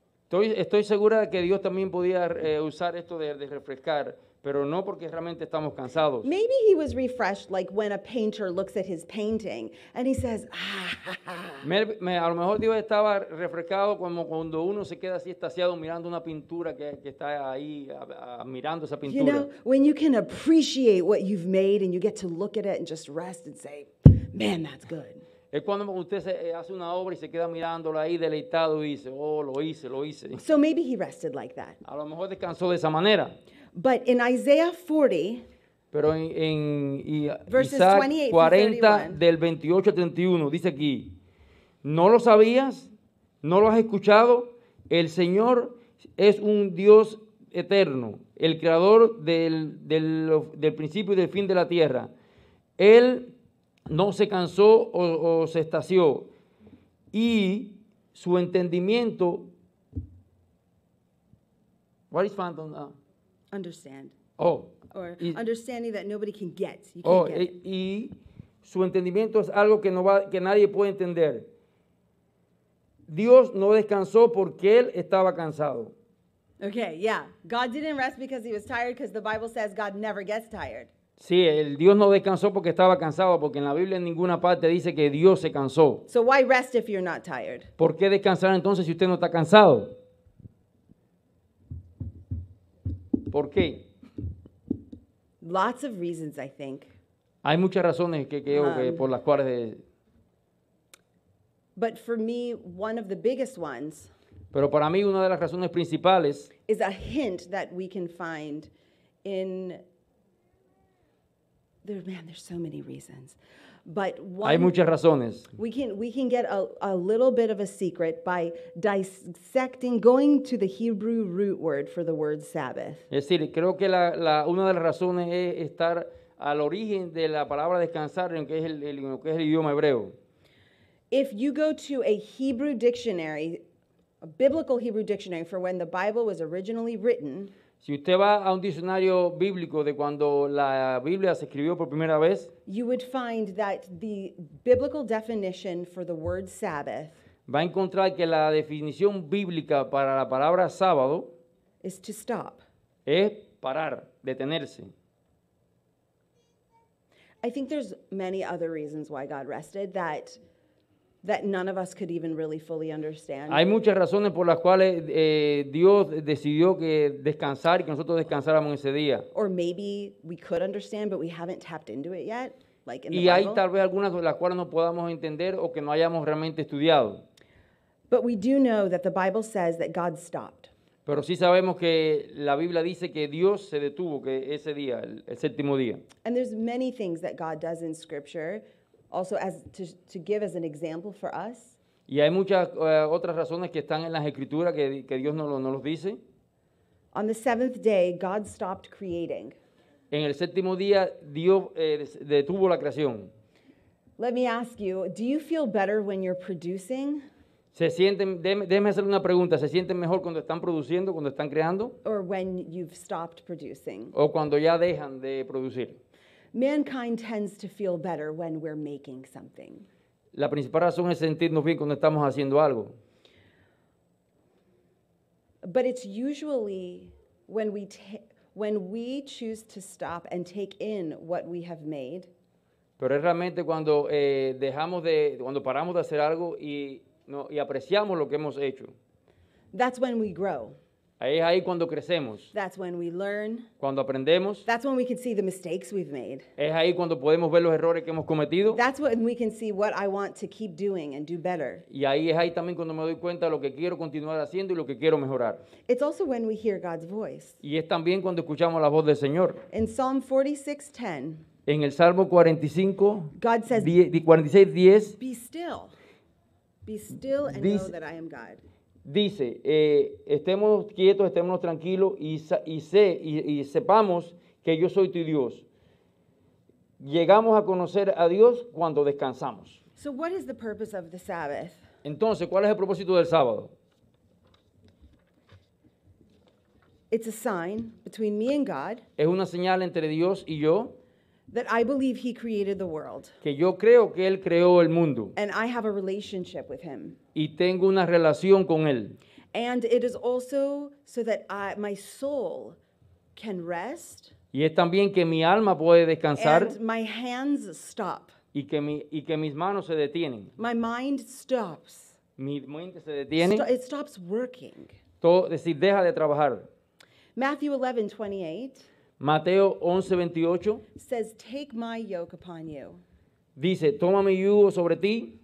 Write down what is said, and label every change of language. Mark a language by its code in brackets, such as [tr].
[es] Estoy segura de que Dios también podía usar esto de refrescar, pero no porque realmente estamos cansados. [en] Maybe he was refreshed like when a painter looks at his painting and he says, [es] a lo mejor Dios estaba refrescado como cuando uno se queda así extasiado mirando una pintura que está ahí mirando esa pintura. [en] You know, when you can appreciate what you've made and you get to look at it and just rest and say, man, that's good. [es] Es cuando usted hace una obra y se queda mirándola ahí deleitado y dice, oh, lo hice. [en] So maybe he rested like that. [es] A lo mejor descansó de esa manera. [en] But in Isaiah 40, [es] pero [en] verses 28 to 31, [es] del 28 al 31, dice aquí, ¿no lo sabías? ¿No lo has escuchado? El Señor es un Dios eterno, el creador del principio y del fin de la tierra. Él no se cansó o se estació, y su entendimiento, [en] what is phantom now? Understand. Oh. Or understanding that nobody can get. [es] Y su entendimiento es algo que nadie puede entender. Dios no descansó porque él estaba cansado. [en] Okay, yeah. God didn't rest because he was tired, because the Bible says God never gets tired. [es] Sí, el Dios no descansó porque estaba cansado, porque en la Biblia en ninguna parte dice que Dios se cansó. [en] So why rest if you're not tired? [es] ¿Por qué descansar entonces si usted no está cansado? ¿Por qué? [en] Lots of reasons, I think. [es] Hay muchas razones que creo que por las cuales. [en] But for me, one of the biggest ones. [es] Pero para mí una de las razones principales. [en] Is a hint that we can find in. There's so many reasons. But one, [es] hay muchas razones. [en] We can get a little bit of a secret by dissecting, going to the Hebrew root word for the word Sabbath. [es] Es decir, creo que la una de las razones es estar al origen de la palabra descansar, en que es el idioma hebreo. [en] If you go to a Hebrew dictionary, a biblical Hebrew dictionary for when the Bible was originally written. [es] Si usted va a un diccionario bíblico de cuando la Biblia se escribió por primera vez, [en] you would find that the biblical definition for the word Sabbath, [es] va a encontrar que la definición bíblica para la palabra sábado, [en] is to stop, [es] es parar, detenerse. [en] I think there's many other reasons why God rested that none of us could even really fully understand. [es] Hay muchas razones por las cuales Dios decidió que descansar y que nosotros descansáramos ese día. [en] Or maybe we could understand, but we haven't tapped into it yet, like in the Bible. [es] Y hay tal vez algunas de las cuales no podamos entender o que no hayamos realmente estudiado. [en] But we do know that the Bible says that God stopped. [es] Pero sí sabemos que la Biblia dice que Dios se detuvo que ese día, el séptimo día. [en] And there's many things that God does in Scripture. Also, as to give as an example for us. [es] Y hay muchas otras razones que están en las escrituras que Dios no los dice. [en] On the seventh day, God stopped creating. [es] En el séptimo día, Dios detuvo la creación. [en] Let me ask you: do you feel better when you're producing? [es] Se sienten. Déjeme hacer una pregunta. ¿Se sienten mejor cuando están produciendo, cuando están creando? [en] Or when you've stopped producing. [es] O cuando ya dejan de producir. [en] Mankind tends to feel better when we're making something. [es] La principal razón es sentirnos bien cuando estamos haciendo algo. [en] But it's usually when we choose to stop and take in what we have made. [es] Pero es realmente cuando cuando paramos de hacer algo y apreciamos lo que hemos hecho. [en] That's when we grow. [es] Ahí cuando crecemos. [en] That's when we learn. [es] Cuando aprendemos. [en] That's when we can see the mistakes we've made. [es] Es ahí cuando podemos ver los errores que hemos cometido. [en] That's when we can see what I want to keep doing and do better. [es] Y ahí es ahí también cuando me doy cuenta lo que quiero continuar haciendo y lo que quiero mejorar. [en] It's also when we hear God's voice. [es] Y es también cuando escuchamos la voz del Señor. [en] In Psalm 46:10. [es] En el Salmo 45. [en] God says, 46:10. Be still. Be still and know that I am God. [es] Dice, estemos quietos, estemos tranquilos y sepamos que yo soy tu Dios. Llegamos a conocer a Dios cuando descansamos. [en] So what is the purpose of the Sabbath? [es] Entonces, ¿cuál es el propósito del sábado? [en] It's a sign between me and God. [es] Es una señal entre Dios y yo. [en] That I believe he created the world. [es] Que yo creo que él creó el mundo. [en] And I have a relationship with him. [es] Y tengo una relación con él. [en] And it is also so that my soul can rest. [es] Y es también que mi alma puede descansar. [en] And my hands stop. [es] Y que mis manos se detienen. [en] My mind stops. [es] Mi mente se detiene. [en] It stops working. [es] Todo, es decir, deja de trabajar. [en] Matthew 11:28. [es] Mateo 11:28 [en] says, "Take my yoke upon you." [es] Dice, toma mi yugo sobre ti.